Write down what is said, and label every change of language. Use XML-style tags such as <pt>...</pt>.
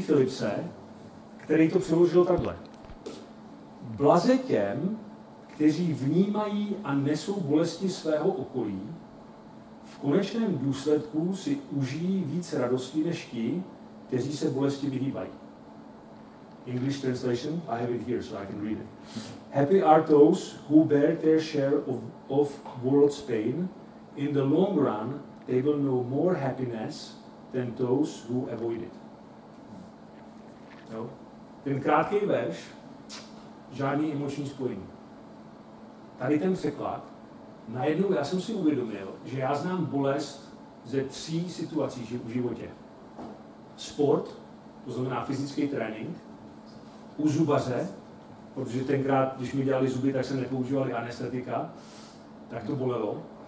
<cs>Phillipse, který to přeložil takhle. Blaze těm, kteří vnímají a nesou bolesti svého okolí, v konečném důsledku si užijí víc radosti než ti, kteří se bolesti vyhýbají.</cs> <en>English translation, I have it here, so I can read it. Happy are those who bear their share of world's pain. In the long run, they will know more happiness than those who avoid it.</en> <cs>No? Ten krátký verš, žádný emoční spojení. Tady ten překlad, najednou já jsem si uvědomil, že já znám bolest ze tří situací v životě. Sport, to znamená fyzický trénink, u zubaře, protože tenkrát, když mi dělali zuby, tak se nepoužívali anestetika, tak to bolelo.</cs>